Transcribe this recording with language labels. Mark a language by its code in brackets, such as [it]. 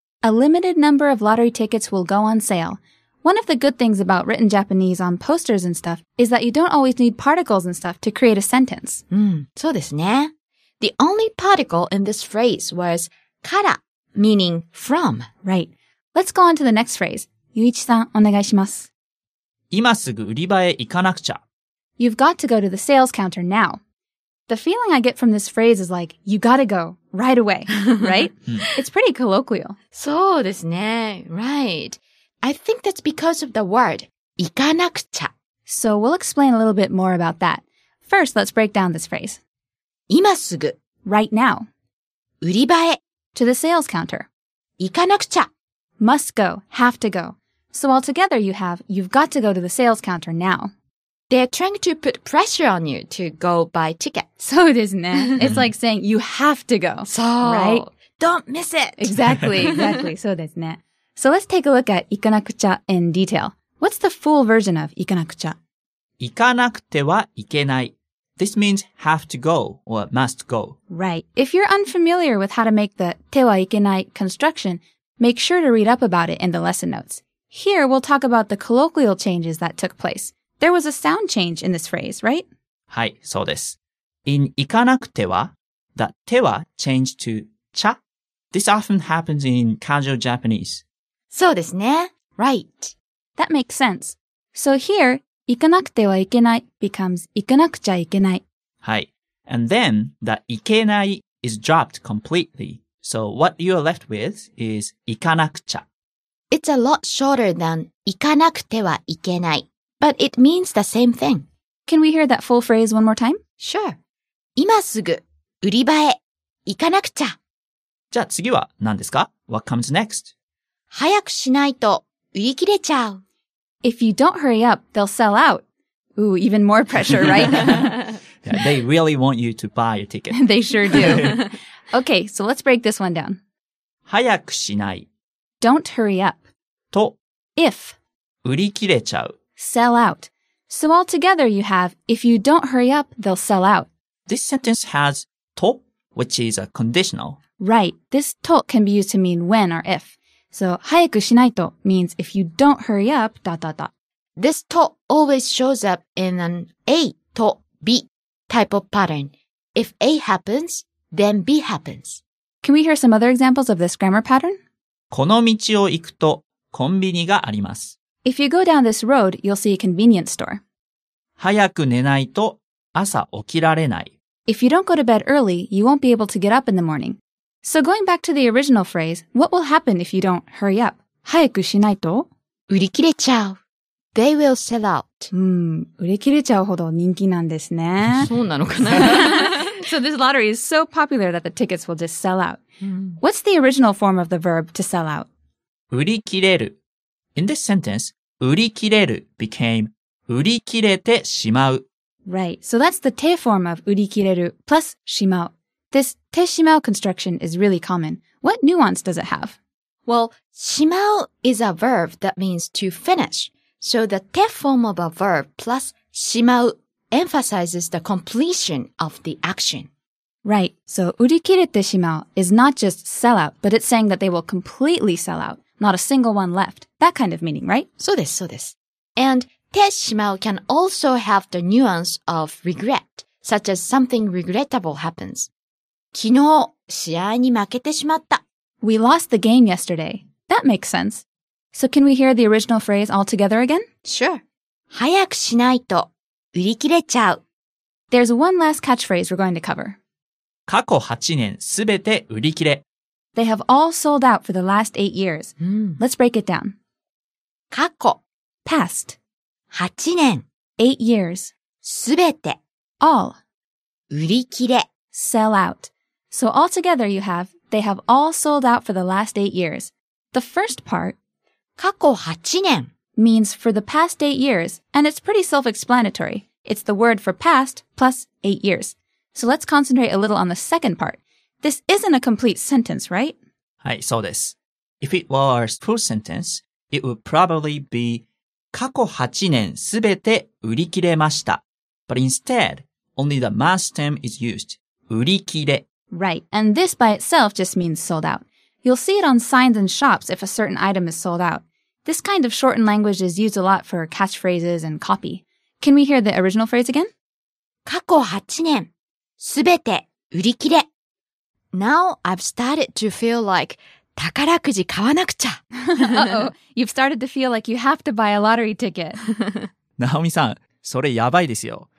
[en] A limited number of lottery tickets will go on sale. One of the good things about written Japanese on posters and stuff is that you don't always need particles and stuff to create a sentence. [ja] そうですね。 [en] The only particle in this phrase was から, meaning from. Right. Let's go on to the next phrase. Yuichi-san, [ja] お願いします。今すぐ売り場へ行かなくちゃ。 [en] You've got to go to the sales counter now. The feeling I get from this phrase is like, you gotta go right away, right? It's pretty colloquial. [ja] そうですね。 [en] Right. I think that's because of the word 行かなくちゃ. So we'll explain a little bit more about that. First, let's break down this phrase. [ja] 今すぐ. [en] Right now. [ja] 売り場へ. [en] To the sales counter. [ja] 行かなくちゃ. [en] Must go, have to go. So altogether you have, you've got to go to the sales counter now. They're trying to put pressure on you to go buy tickets. [ja] そうですね. [en] It's like saying you have to go. [ja] そう. [en] Right? Don't miss it. Exactly, exactly. [ja] そうですね. [en] So let's take a look at 行かなくちゃ in detail. What's the full version of 行かなくちゃ? [ja] 行かなくてはいけない. [en] This means have to go or must go. Right. If you're unfamiliar with how to make the 手はいけない construction, Make sure to read up about it in the lesson notes. Here, we'll talk about the colloquial changes that took place. There was a sound change in this phrase, right? [ja] はい、そうです。 [en] In 行かなくては、the 手は changed to 茶。 This often happens in casual Japanese. [ja] そうですね。 [en] Right. That makes sense. So here, 行かなくてはいけない becomes 行かなくちゃいけない。はい。And then, the 行けない is dropped completely. So what you are left with is 行かなくちゃ。 It's a lot shorter than 行かなくてはいけない。 But it means the same thing. Can we hear that full phrase one more time? Sure. [ja] 今すぐ売り場へ行かなくちゃ。じゃあ次は何ですか? [en] What comes next? [ja] 早くしないと売り切れちゃう。 [en] If you don't hurry up, they'll sell out. Ooh, even more pressure, right? Yeah, they really want you to buy your ticket. They sure do. Okay, so let's break this one down. [ja] 早くしない。 [en] Don't hurry up. [ja] と。 [en] If. [ja] 売り切れちゃう。 [en] Sell out. So altogether you have, if you don't hurry up, they'll sell out. This sentence has と, which is a conditional. Right. This と can be used to mean when or if. So 早くしないと means if you don't hurry up, dot dot dot. This と always shows up in an A と B type of pattern. If A happens, then B happens. Can we hear some other examples of this grammar pattern? [ja] この道を行くとコンビニがあります。 [en] If you go down this road, you'll see a convenience store. [ja] 早く寝ないと朝起きられない。 [en] If you don't go to bed early, you won't be able to get up in the morning. So going back to the original phrase, what will happen if you don't hurry up? [ja] 早くしないと [en] 売り切れちゃう。They will sell out. [ja] 売り切れちゃうほど人気なんですね。そうなのかな? [en] So this lottery is so popular that the tickets will just sell out. What's the original form of the verb to sell out? 売り切れる。In this sentence, 売り切れる became 売り切れてしまう。 Right, so that's the 手 form of 売り切れる plus しまう。 This 手しまう construction is really common. What nuance does it have? Well, しまう is a verb that means to finish. So the 手 form of a verb plus しまう emphasizes the completion of the action. Right, so 売り切れてしまう is not just sell out, but it's saying that they will completely sell out. Not a single one left. That kind of meaning, right? [ja] そうです、そうです。 [en] And 手しまう can also have the nuance of regret, such as something regrettable happens. [ja] 昨日、試合に負けてしまった。 [en] We lost the game yesterday. That makes sense. So can we hear the original phrase all together again? Sure. [ja] 早くしないと売り切れちゃう。 [en] There's one last catchphrase we're going to cover. [ja] 過去8年すべて売り切れ。 [en] They have all sold out for the last 8 years. Let's break it down. [ja] 過去 [en] past [ja] 8年 [en] 8 years [ja] すべて [en] all [ja] 売り切れ [en] sell out. So altogether you have, they have all sold out for the last 8 years. The first part [ja] 過去8年 [en] means for the past 8 years, and it's pretty self-explanatory. It's the word for past plus 8 years. So let's concentrate a little on the second part. This isn't a complete sentence, right? [ja] はい、そうです。 [en] If it were a full sentence, it would probably be [ja] 過去8年すべて売り切れました。 [en] But instead, only the mass term is used. [ja] 売り切れ。 [en] Right, and this by itself just means sold out. You'll see it on signs in shops if a certain item is sold out. This kind of shortened language is used a lot for catchphrases and copy. Can we hear the original phrase again? [ja] 過去8年すべて売り切れ。 [en] Now I've started to feel like [ja] 宝くじ買わなくちゃ。 [en] Uh-oh, you've started to feel like you have to buy a lottery ticket. [ja] Naomi さん、それやばいですよ。